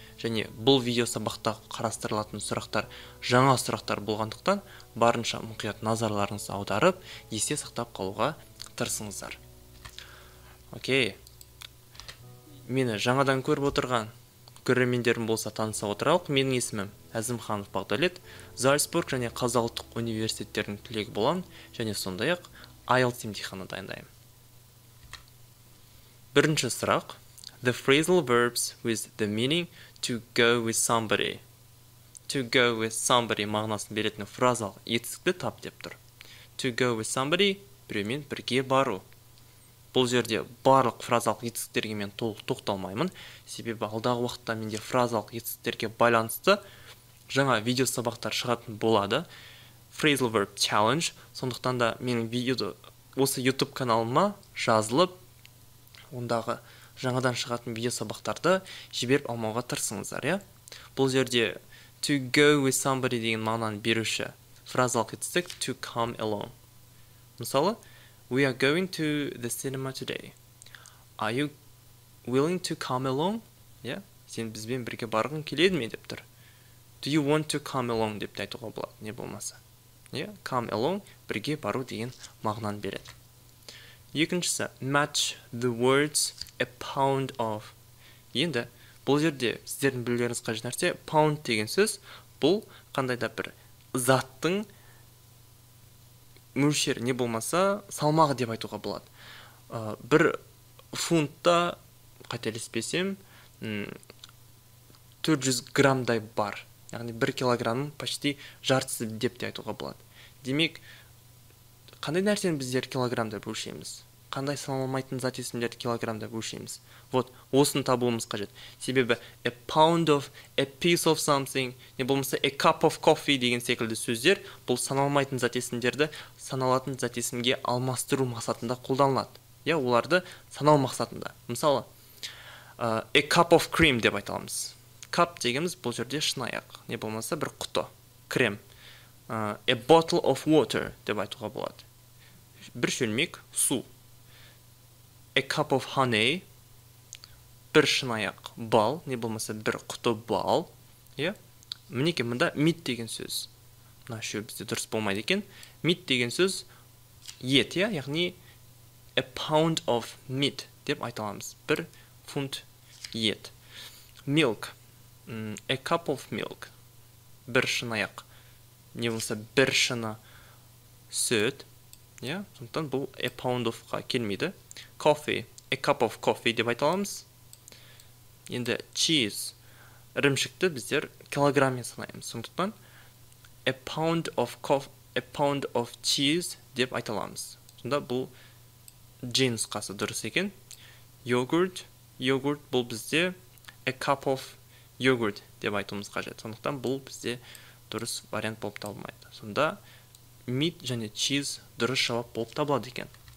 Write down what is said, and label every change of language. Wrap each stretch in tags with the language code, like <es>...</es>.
<kk>Және бұл видео сабақта қарастырылатын сұрақтар жаңа сұрақтар болғандықтан, барынша мұқият назарларыңыз аударып, есте сақтап қалуға тырысыңыздар. Окей. Мені жаңадан көріп отырған көрермендерім болса таныса отыралық, менің есімім Әзімханов Бағдәулет, Зальцбург және Қазақ ұлттық университеттерінің түлегі болам, және сондай-ақ IELTS емтиханы дайындайым. Бірінші сұрақ.</kk> <en>The phrasal verbs with the meaning to go with somebody. To go with somebody</en> <kk>мағынасын беретін фразалық етістікті тап деп тұр.</kk> <en>To go with somebody</en> <kk>біреумен бірге бару. Бұл жерде барлық фразалық етістіктерге мен тоқталмаймын, себебі алдағы уақытта менде фразалық етістіктерге байланысты жаңа видео сабақтар шығатын болады. Phrasal Verb Challenge, сондықтан да менің видеоды осы YouTube каналыма жазылып, ондағы жаңадан шығатын видео сабақтарды жіберіп алмауға тырысыңыздар, иә? Бұл жерде</kk> <en>to go with somebody</en> <kk>деген мағынаны беруші фразалық етістік to come along.</kk> <en>Мысалы, we are going to the cinema today. Are you willing to come along? Yeah?</en> <kk>Сен бізбен бірге барғың келеді ме деп тұр.</kk> <en>Do you want to come along</en> <kk>деп айтуға болады, не болмаса.</kk> <en>Yeah?</en> <kk>Come along бірге бару деген мағынаны береді.</kk> <en>Екіншісі, match the words a pound of.</en> <kk>Енді бұл жерде сіздердің білулеріңіз қажет нәрсе, pound деген сөз бұл қандай да бір заттың мөлшер не болмаса, салмағы деп айтуға болады. Бір фунтта, қателеспесем, 400 граммдай бар. Яғни, 1 килограммын почти жартысы деп те айтуға болады. Демек, қандай нәрсені біздер килограммдай бөлшейміз? Қандай салмайтын зат есімдерді килограммдай бөлшейміз? Вот, осын табуымыз қажет. Себебі,</kk> <en>a pound of, a piece of something,</en> <kk>не болмаса,</kk> <en>a cup of coffee</en> <kk>деген секілді сөздер, бұл саналмайтын зат есімдерді саналатын зат есімге алмастыру мақсатында қолданылады. Я, оларды санау мақсатында. Мысалы,</kk> <en>a cup of cream</en> <kk>деп айталамыз. Cup дегеніміз бұл жерде шынаяқ, не болмаса, бір құты, крем.</kk> <en>A bottle of water</en> <kk>деп айтуға болады. Бір шөлмек су.</kk> <en>A cup of honey,</en> <kk>бір шынаяқ бал, не болмаса бір құты бал. Мінеке, мұнда meat деген сөз. Мына шөл бізде дұрыс болмайды екен. Meat деген сөз ет, яғни</kk> <en>a pound of meat</en> <kk>деп айталамыз. Бір фунт ет. Milk,</kk> <en>a cup of milk,</en> <kk>бір шынаяқ, не болмаса бір шыны сөт. Сондықтан бұл a pound of-қа келмейді. Coffee,</kk> <en>a cup of coffee</en> <kk>деп айталамыз. Енді cheese, ірімшікті біздер килограммен санаймыз. Сондықтан</kk> <en>a pound of cheese</en> <kk>деп айталамыз. Сонда бұл джинс қасы дұрыс екен. Yogurt бұл бізде</kk> <en>a cup of yogurt</en> <kk>деп айтуымыз қажет. Сондықтан бұл бізде дұрыс вариант болып табылмайды. Сонда meat және cheese дұрыс жауап болып табылады екен.</kk>